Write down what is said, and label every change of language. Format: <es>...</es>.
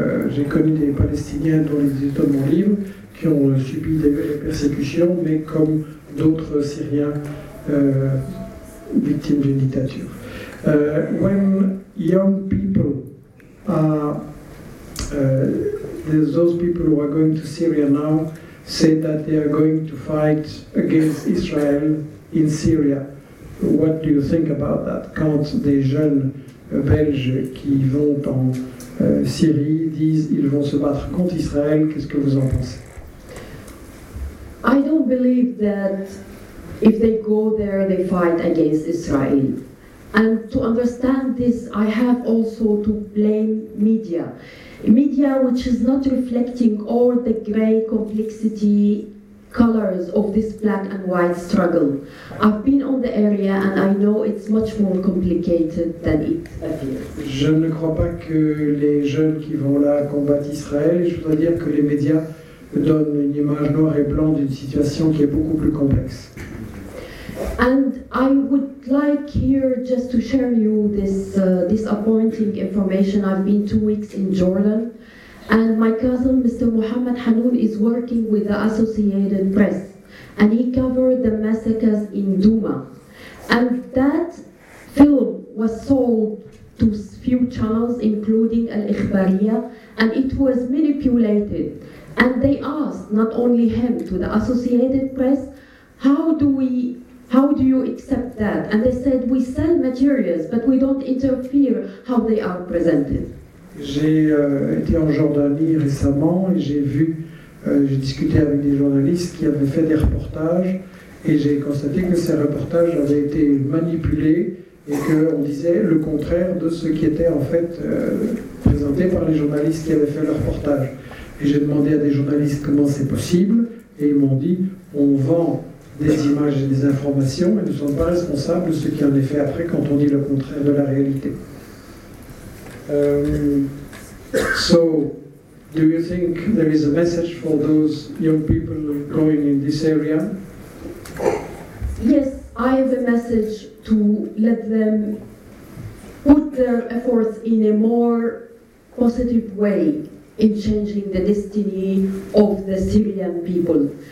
<fr>J'ai connu des Palestiniens dont les éditeurs de mon livre qui ont subi des persécutions, mais comme d'autres Syriens victimes d'une dictature.</fr> <en>When young people are, those people who are going to Syria now say that they are going to fight against Israel in Syria. What do you think about that?</en> <fr>Quand des jeunes Belges qui vont en Syrie disent ils vont se battre contre Israël, qu'est-ce que vous en pensez?</fr> <en>I don't believe that if they go there they fight against Israel. And to understand this, I have also to blame media. Media which is not reflecting all the gray complexity colors of this black and white struggle. I've been on the area and I know it's much more complicated than it appears.</en> <fr>Je ne crois pas que les jeunes qui vont là combattre Israël, je voudrais dire que les médias donnent une image noire et blanc d'une situation qui est beaucoup plus complexe.</fr> <en>And I would like here just to share you this disappointing information. I've been 2 weeks in Jordan, and my cousin, Mr. Mohammed Hanoun, is working with the Associated Press, and he covered the massacres in Douma. And that film was sold to few channels, including Al-Ikhbariya, and it was manipulated. And they asked, not only him, to the Associated Press, how do you accept that? And they said, we sell materials, but we don't interfere how they are presented.</en> <fr>J'ai été en Jordanie récemment et j'ai discuté avec des journalistes qui avaient fait des reportages et j'ai constaté que ces reportages avaient été manipulés et qu'on disait le contraire de ce qui était en fait présenté par les journalistes qui avaient fait le reportage. Et j'ai demandé à des journalistes comment c'est possible et ils m'ont dit, on vend des images et des informations, mais ne sont pas responsables de ce qui en est fait après quand on dit le contraire de la réalité.</fr> <en>So, do you think there is a message for those young people going in this area? Yes, I have a message to let them put their efforts in a more positive way in changing the destiny of the Syrian people.</en>